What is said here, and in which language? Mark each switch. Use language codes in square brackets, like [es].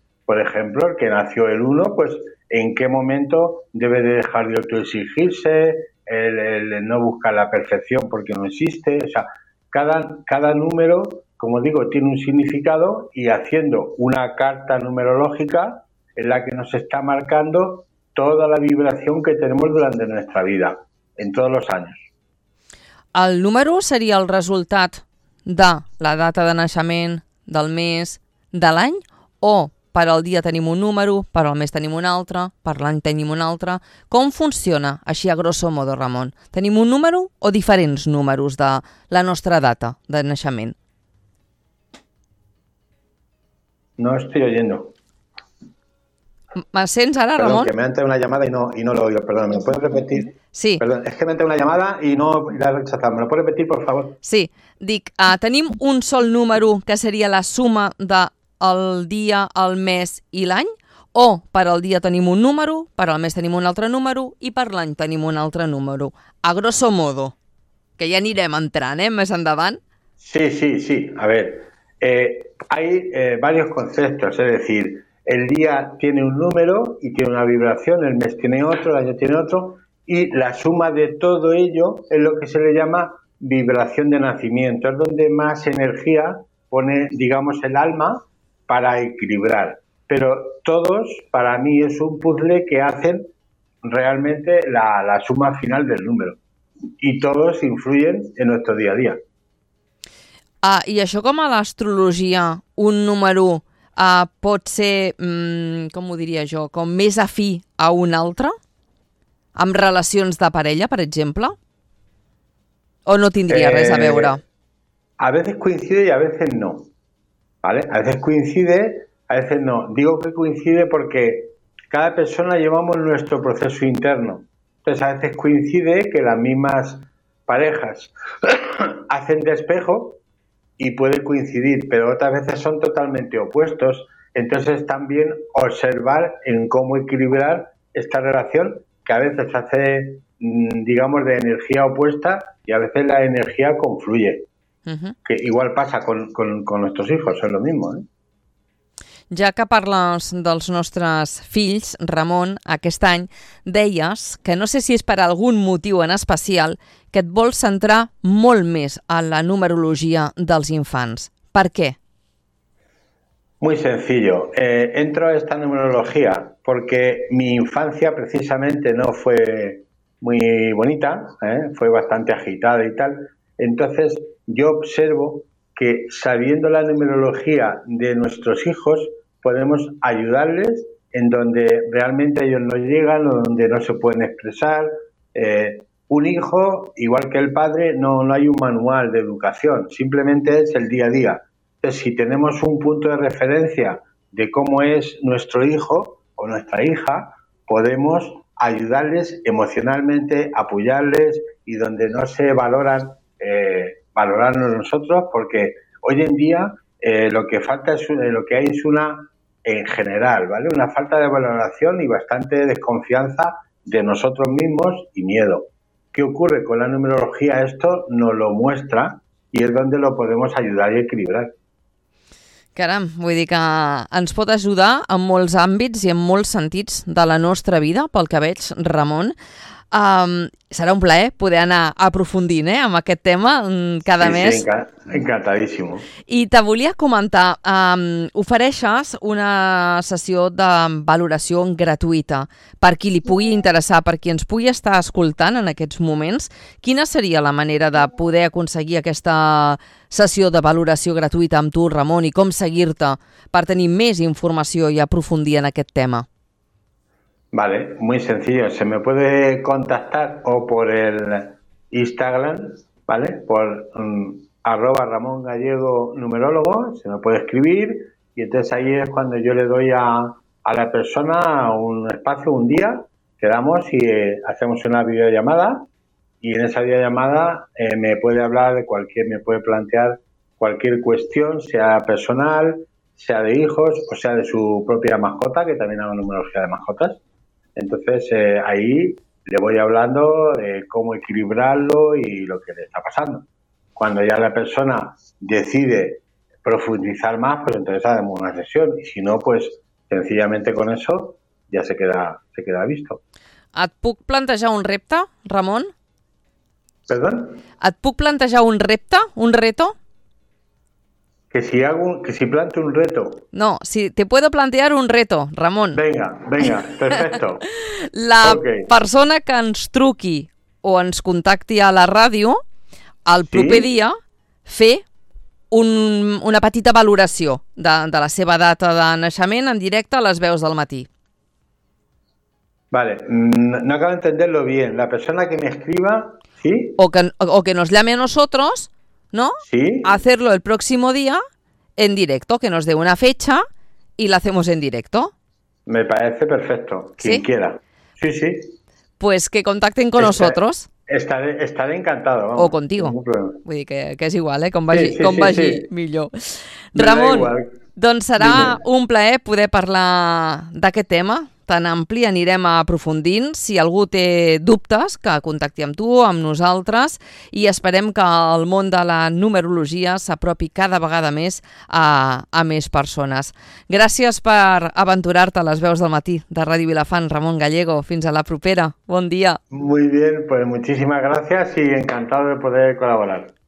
[es] Por ejemplo, el que nació el 1, pues en qué momento debe de dejar de autoexigirse, el no buscar la perfección porque no existe. O sea, cada número, como digo, tiene un significado, y haciendo una carta numerológica en la que nos está marcando toda la vibración que tenemos durante nuestra vida. En todos los años. [ca] El número seria el resultat de la data de naixement, del mes, de l'any? O per al dia tenim un número, per al mes tenim un altre, per l'any tenim un altre? Com funciona així a grosso modo, Ramon? Tenim un número o diferents números de la nostra data de naixement? [es] No estoy oyendo. [ca] ¿Me sents ara, [es] perdón, Ramon? Que me ha entrado una llamada y no lo oigo, perdón, ¿me lo puedes repetir? Sí. Perdón, es que me ha entrado una llamada y no la he rechazado. ¿Me lo puedes repetir, por favor? [ca] Sí. Dic, tenim un sol número que seria la suma del dia, el mes i l'any? O per al dia tenim un número, per al mes tenim un altre número i per l'any tenim un altre número? A grosso modo, que ja anirem entrant, més endavant. [es] Sí, sí, sí. A ver, hay varios conceptos, es decir, el día tiene un número y tiene una vibración, el mes tiene otro, el año tiene otro, y la suma de todo ello es lo que se le llama vibración de nacimiento. Es donde más energía pone, digamos, el alma para equilibrar. Pero todos, para mí, es un puzzle que hacen realmente la suma final del número. Y todos influyen en nuestro día a día. Ah, y eso como la astrología, un número... [ca] pot ser, com ho diria jo, com més afí a un altre? Amb relacions de parella, per exemple? O no tindria res a veure? [es] A veces coincide y a veces no. ¿Vale? A veces coincide, a veces no. Digo que coincide porque cada persona llevamos nuestro proceso interno. Entonces, a veces coincide que las mismas parejas hacen de espejo y puede coincidir, pero otras veces son totalmente opuestos. Entonces, también observar en cómo equilibrar esta relación, que a veces hace, digamos, de energía opuesta, y a veces la energía confluye. Uh-huh. Que igual pasa con nuestros hijos, es lo mismo. [ca] Ja que parles dels nostres fills, Ramon, aquest any, deies que no sé si és per algun motiu en especial que et vols centrar molt més en la numerologia dels infants. Per què? [es] Muy sencillo. Entro a esta numerología porque mi infancia precisamente no fue muy bonita, fue bastante agitada y tal. Entonces, yo observo que sabiendo la numerología de nuestros hijos podemos ayudarles en donde realmente ellos no llegan o donde no se pueden expresar. Un hijo, igual que el padre, no hay un manual de educación, simplemente es el día a día. Entonces, si tenemos un punto de referencia de cómo es nuestro hijo o nuestra hija, podemos ayudarles emocionalmente, apoyarles, y donde no se valoran, valorarnos nosotros, porque hoy en día lo que falta es lo que hay es una, en general, ¿vale?, una falta de valoración y bastante desconfianza de nosotros mismos y miedo. ¿Qué ocurre con la numerología? Esto nos lo muestra y es donde lo podemos ayudar y equilibrar. [ca] Caram, vull dir que ens pot ajudar en molts àmbits i en molts sentits de la nostra vida, pel que veig, Ramon. Serà un plaer poder anar aprofundint amb aquest tema cada sí, mes. Sí, encantadíssim. I te volia comentar, ofereixes una sessió de valoració gratuïta per qui li pugui interessar, per qui ens pugui estar escoltant en aquests moments. Quina seria la manera de poder aconseguir aquesta sessió de valoració gratuïta amb tu, Ramon, i com seguir-te per tenir més informació i aprofundir en aquest tema? [es] Vale, muy sencillo. Se me puede contactar o por el Instagram, ¿vale? Por arroba Ramón Gallego Numerólogo, se me puede escribir y entonces ahí es cuando yo le doy a la persona un espacio, un día, quedamos y hacemos una videollamada y en esa videollamada me puede hablar de cualquier, me puede plantear cualquier cuestión, sea personal, sea de hijos o sea de su propia mascota, que también hago numerología de mascotas. Entonces, ahí le voy hablando de cómo equilibrarlo y lo que le está pasando. Cuando ya la persona decide profundizar más, pues entonces hacemos una sesión. Y si no, pues sencillamente con eso ya se queda visto. [ca] ¿Et puc plantejar un repte, Ramón? [es] ¿Perdón? [ca] ¿Et puc plantejar un repte, [es] un reto? Que si planteo un reto. No, si te puedo plantear un reto, Ramón. Venga, venga, perfecto. [ca] La persona que ens truqui o ens contacti a la ràdio, el proper dia, fer una petita valoració de la seva data de naixement en directe a les veus del matí. [es] Vale, no acabo de entenderlo bien. La persona que me escriba, ¿sí? O que nos llame a nosotros... ¿No? Sí. Hacerlo el próximo día en directo, que nos dé una fecha y la hacemos en directo. Me parece perfecto, quien quiera. Sí, sí. Pues que contacten con nosotros. Estaré encantado. Vamos. O contigo. [ca] Vull dir que és igual, com vagi, sí, sí, com vagi millor. Me Ramon, doncs serà un plaer poder parlar d'aquest tema tan ampli, anirem aprofundint. Si algú té dubtes, que contacti amb tu, amb nosaltres, i esperem que el món de la numerologia s'apropi cada vegada més a més persones. Gràcies per aventurar-te a les veus del matí de Ràdio Vilafant, Ramón Gallego. Fins a la propera. Bon dia. [es] Muy bien, pues muchísimas gracias y encantado de poder colaborar.